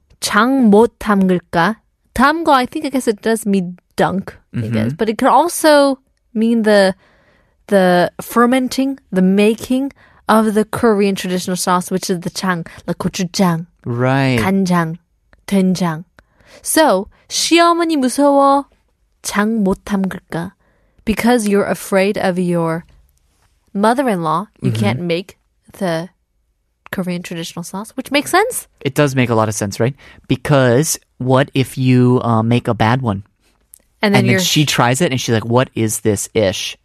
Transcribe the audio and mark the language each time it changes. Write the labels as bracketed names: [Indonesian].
[Korean] 장 못 담글까? 담고, [English] I think, I guess it does mean dunk, mm-hmm. I guess. But it could also mean the fermenting, the making of the Korean traditional sauce, which is the 장, like gochujang. Right. [Korean] 간장, 된장. So, 시어머니 무서워 장 못 담글까? [English] Because you're afraid of your mother-in-law, you mm-hmm. can't make the Korean traditional sauce, which makes sense. It does make a lot of sense, right? Because what if you make a bad one? And then she tries it and she's like, what is this-ish?